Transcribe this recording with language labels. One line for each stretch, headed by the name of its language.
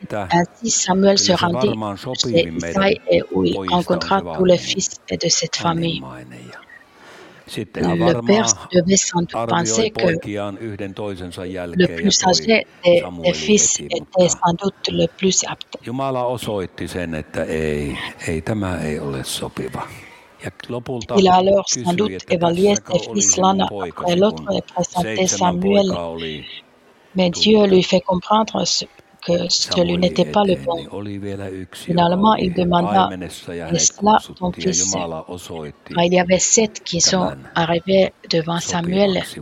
French: Ainsi Samuel se rendit chez Israël et où il rencontra tous les fils de cette famille. Le père devait sans doute penser que le plus âgé des fils était sans doute le plus apte.
Finnish: Jumala osoitti sen, että ei tämä ei ole sopiva. Ja lopulta
French: il a alors sans doute évalué ses fils l'un après l'autre et présenté Samuel. Mais Dieu lui fait comprendre que celui n'était pas le bon. Finalement, il demanda, est-ce là ton fils? Il y avait sept qui sont arrivés devant Samuel.